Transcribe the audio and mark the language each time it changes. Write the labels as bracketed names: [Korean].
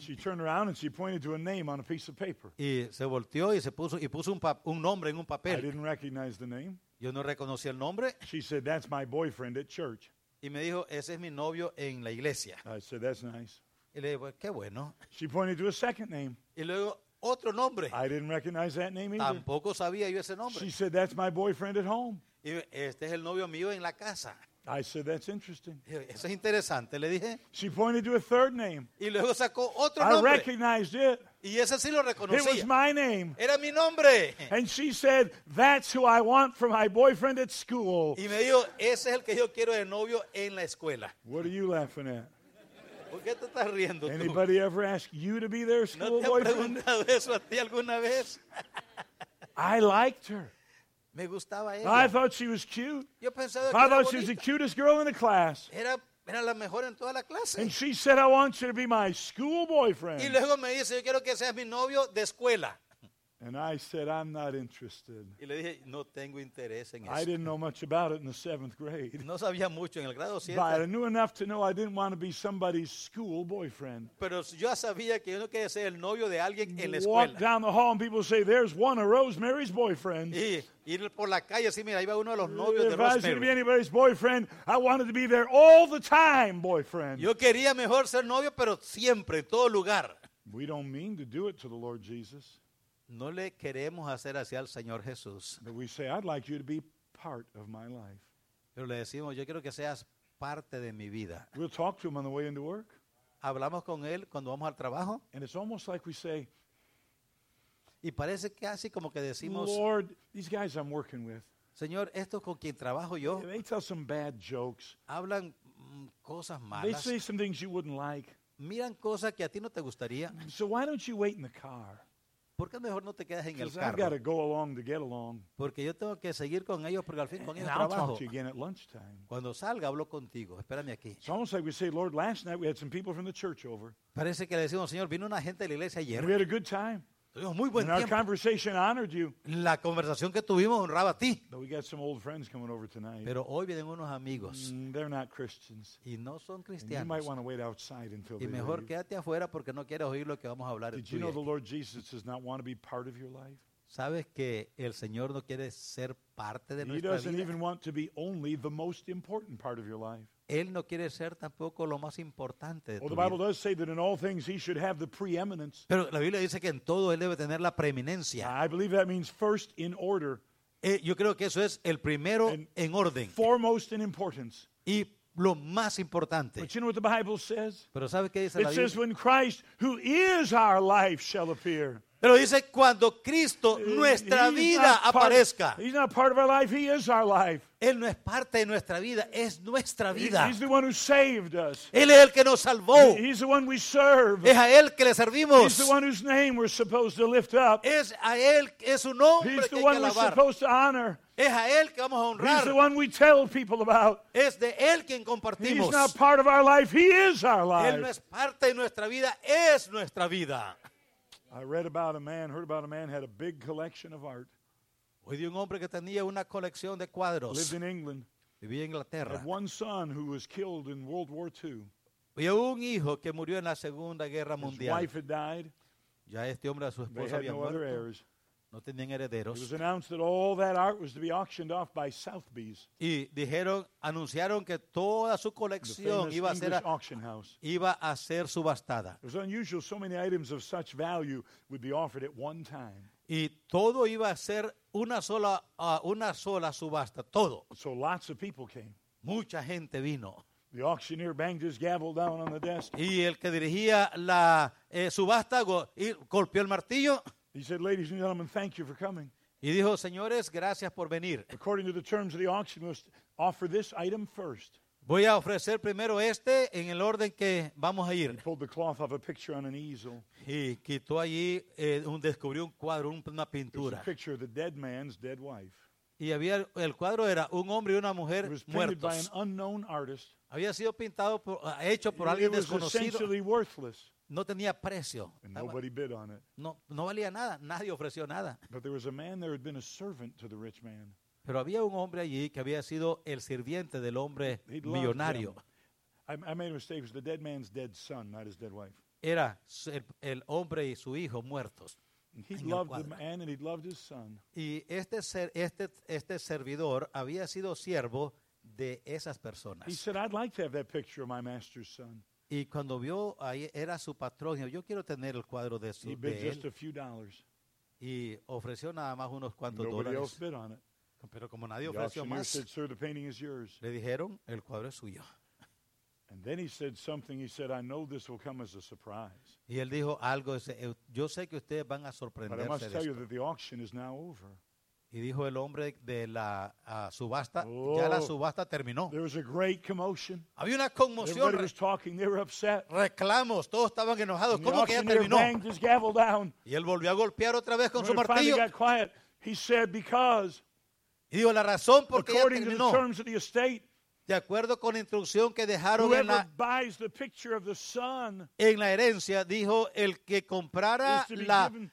[English] She turned around and she pointed to a name on a piece of paper. [Spanish] Y se volteó y puso un nombre en un papel. [English] I didn't recognize the name. [Spanish] Yo no reconocí el nombre. [English] She said, "That's my boyfriend at church." [Spanish] Y me dijo, "Ese es mi novio en la iglesia." [English] I said, "That's nice." [Spanish] Y le dije, [English] "Well, [Spanish] qué bueno." [English] She pointed to a second name. [Spanish] Y luego otro nombre. [English] I didn't recognize that name either. [Spanish] Tampoco sabía yo ese nombre. [English] She said, "That's my boyfriend at home." [Spanish] Y este es el novio mío en la casa. [English] I said, "That's interesting." [Spanish] Eso es interesante, le dije. [English] She pointed to a third name. [Spanish] Y luego sacó otro nombre. [English] I recognized it. [Spanish] Y ese sí lo reconocía. [English] It was my name. [Spanish] Era mi nombre. [English] And she said, "That's who I want for my boyfriend at school." [Spanish] Y me dijo, "Ese es el que yo quiero de novio en la escuela." [English] What are you laughing at? [Spanish] ¿Por qué te estás riendo tú? [English] Anybody ever ask you to be their school boyfriend? [Spanish] ¿No te ha preguntado eso a ti alguna vez? [English] I liked her. [Spanish] Me gustaba ella. [English] I thought she was cute. [Spanish] Yo pensaba que era bonita. [English] I thought she was the cutest girl in the class. [Spanish] Era la mejor en toda la clase. [English] And she said, "I want you to be my school boyfriend." [Spanish] Y luego me dice, "Yo quiero que seas mi novio de escuela." [English] And I said, "I'm not interested." [Spanish] Y le dije, "No tengo interés en eso." [English] I didn't know much about it in the seventh grade. [Spanish] No sabía mucho en el grado 7. [English] But I knew enough to know I didn't want to be somebody's school boyfriend. [Spanish] Pero yo sabía que yo no quería ser el novio de alguien en la escuela. [English] Walk down the hall and people say, "There's one of Rosemary's boyfriends." [Spanish] Ir por la calle, sí, mira, iba uno de los novios de Rosemary. [English] If I should be anybody's boyfriend, I wanted to be there all the time, boyfriend. [Spanish] Yo quería mejor ser novio, pero siempre, en todo lugar. [English] We don't mean to do it to the Lord Jesus. [Spanish] No le queremos hacer así al Señor Jesús. [English] But we say, "I'd like you to be part of my life." [Spanish] Pero le decimos, yo quiero que seas parte de mi vida. [English] We'll talk to him on the way into work. [Spanish] Hablamos con él cuando vamos al trabajo. [English] And it's almost like we say, [Spanish] y parece que así como que decimos, [English] "Lord, these guys I'm working with." [Spanish] Señor, estos con quien trabajo yo. [English] They tell some bad jokes. [Spanish] Hablan cosas malas. [English] They say some things you wouldn't like. [Spanish] Miran cosas que a ti no te gustaría. [English] So why don't you wait in the car? [Spanish] ¿Por qué mejor no te quedas en el carro? [English] I've got to go along to get along. [Spanish] Porque yo tengo que seguir con ellos porque al fin con ellos [English] and I'll Talk to you again at lunchtime. [Spanish] Cuando salga hablo contigo. Espérame aquí. [English] It's almost like we say, "Lord, last night we had some people from the church over." [Spanish] Parece que le decimos, "Señor, vino una gente de la iglesia ayer." [English] We had a good time. [Spanish] Muy buen [English] and our conversation honored you. [Spanish] La conversación que tuvimos honraba a ti. [English] But we got some old friends coming over tonight. [Spanish] Pero hoy vienen unos amigos. [English] They're not Christians. [Spanish] Y no son cristianos. [English] And you might want to wait outside until they leave. [Spanish] Y mejor quédate afuera porque no quieres oír lo que vamos a hablar. [English] Did you know the Lord Jesus does not want to be part of your life? [Spanish] ¿Sabes que el Señor no quiere ser parte de nuestra vida? [English] He doesn't even want to be only the most important part of your life. [Spanish] Él no quiere ser tampoco lo más importante de tu vida. [English] Does say that in all things he should have the preeminence. [Spanish] Pero la Biblia dice que en todo él debe tener la preeminencia. [English] I believe that means first in order. [Spanish] Yo creo que eso es el primero en orden. [English] Foremost in importance. [Spanish] Y lo más importante. [English] But you know what the Bible says? [Spanish] Pero ¿sabes qué dice la Biblia? [English] It says when Christ, who is our life, shall appear. [Spanish] Pero dice cuando Cristo, nuestra vida, aparezca. [English] He's not part of our life, he is our life. [Spanish] Él no es parte de nuestra vida, es nuestra vida. [English] He's the one who saved us. [Spanish] Él es el que nos salvó. [English] He's the one we serve. [Spanish] Es a Él que le servimos. [English] He's the one whose name we're supposed to lift up. [Spanish] Es a Él, es su nombre que hay que alabar. [English] He's the one we're supposed to honor. [Spanish] Es a Él que vamos a honrar. [English] He's the one we tell people about. [Spanish] Es de Él quien compartimos. [English] He's not part of our life, he is our life. [Spanish] Él no es parte de nuestra vida, es nuestra vida. [English] I read about a man, heard about a man, had a big collection of art. [Spanish] Oí de un hombre que tenía una colección de cuadros. [English] Lived in England. [Spanish] Vivía en Inglaterra. [English] Had one son who was killed in World War II. [Spanish] Y un hijo que murió en la Segunda Guerra Mundial. [English] His wife had died. [Spanish] Ya este hombre, a su esposa, [English] they had [Spanish] había no muerto. [English] Other heirs. [Spanish] No tenían herederos. [English] It was announced that all that art was to be auctioned off by Sotheby's. [Spanish] Y dijeron, anunciaron que toda su colección iba a ser [English] auction house. [Spanish] Iba a ser subastada. [English] It was unusual so many items of such value would be offered at one time. [Spanish] Y todo iba a ser una sola subasta, todo. [English] So lots of people came. [Spanish] Mucha gente vino. [English] The auctioneer banged his gavel down on the desk. [Spanish] Y el que dirigía la subasta golpeó el martillo. [English] He said, "Ladies and gentlemen, thank you for coming." [Spanish] Y dijo, señores, gracias por venir. [English] According to the terms of the auction, we must offer this item first. [Spanish] Voy a ofrecer primero este en el orden que vamos a ir. [English] He pulled the cloth off a picture on an easel. [Spanish] Y quitó allí descubrió un cuadro, una pintura. [English] It was a picture of the dead man's dead wife. [Spanish] Y había el cuadro era un hombre y una mujer muertos. [English] It was painted by an unknown artist. [Spanish] Había sido pintado hecho por alguien desconocido. [English] It was essentially worthless. [Spanish] No tenía precio. [English] And nobody bid on it. [Spanish] No valía nada. Nadie ofreció nada. [English] But there was a man there who had been a servant to the rich man. [Spanish] Pero había un hombre allí que había sido el sirviente del hombre millonario. [English] I made a mistake. It was the dead man's dead son, not his dead wife. [Spanish] Era el hombre y su hijo muertos. [English] He loved the man and he loved his son. [Spanish] Y este servidor había sido siervo de esas personas. [English] He said, "I'd like to have that picture of my master's son." [Spanish] Y cuando vio ahí, era su patrón, dijo, yo quiero tener el cuadro de su de él. [English] Just a few dollars. [Spanish] Y ofreció nada más unos cuantos [English] Nobody [Spanish] dólares. [English] Else bid on it. [Spanish] Pero como nadie ofreció más, [English] said, "Sir, the painting is yours." [Spanish] Le dijeron, el cuadro es suyo. [English] And then he said something, he said, "I know this will come as a surprise." [Spanish] Y él dijo algo, yo sé que ustedes van a sorprenderse de esto. [English] But I must tell you that the auction is now over. [Spanish] Y dijo el hombre de la subasta, ya la subasta terminó. [English] There was a great commotion. [Spanish] Había una conmoción. [English] Everybody was talking, they were upset. [Spanish] Reclamos, todos estaban enojados. ¿Cómo que ya terminó? [English] Banged his gavel down. [Spanish] Y él volvió a golpear otra vez con su martillo. [English] Finally got quiet. He said, because, [Spanish] y dijo la razón por qué ya terminó. [English] According to the terms of the estate, [Spanish] de acuerdo con la instrucción que dejaron en la, [English] buys the picture of the son, [Spanish] en la herencia, dijo el que comprara la...